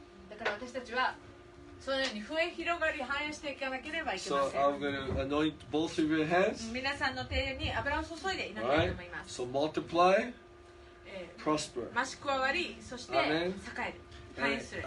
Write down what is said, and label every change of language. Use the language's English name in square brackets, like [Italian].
[Japanese] だから私たちは、そのように増え広がり繁栄していかなければいけません。 [English] So I'm going to anoint both of your hands. [Japanese] 皆さんの手に油を注いで祈りたいと思います。 [English] Right. So multiply, prosper. [Japanese] 増し加わり、そして栄える、繁栄する。